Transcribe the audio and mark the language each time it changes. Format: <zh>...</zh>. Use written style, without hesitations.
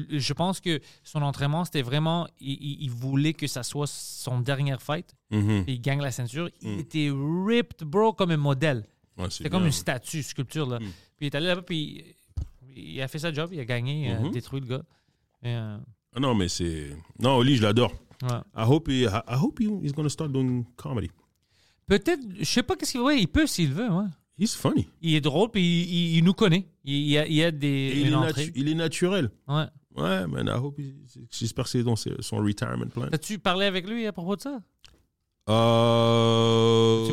<fr>Je pense que son entraînement, c'était vraiment... Il voulait que ça soit son dernière fight. Il gagne la ceinture. Il était</fr> <en>ripped, bro,</en> <fr>comme un modèle. Ouais, c'était comme une statue, sculpture, là. Puis il est allé là-bas, puis il a fait sa job. Il a gagné, il a détruit le gars. Non, mais c'est... Non, Oli, je l'adore. Ouais.</fr> <en>I hope he's gonna start doing comedy.</en> <fr>Peut-être, je sais pas qu'est-ce qu'il veut. Il peut s'il veut. Ouais.</fr> <en>He's funny.</en> <fr>Il est drôle puis il nous connaît. Il a des. Il est naturel. Ouais.</fr> <en>Ouais, man. I hope.</en> <fr>J'espère que c'est dans son retirement plan. As-tu parlé avec lui à propos de ça? As-tu</fr>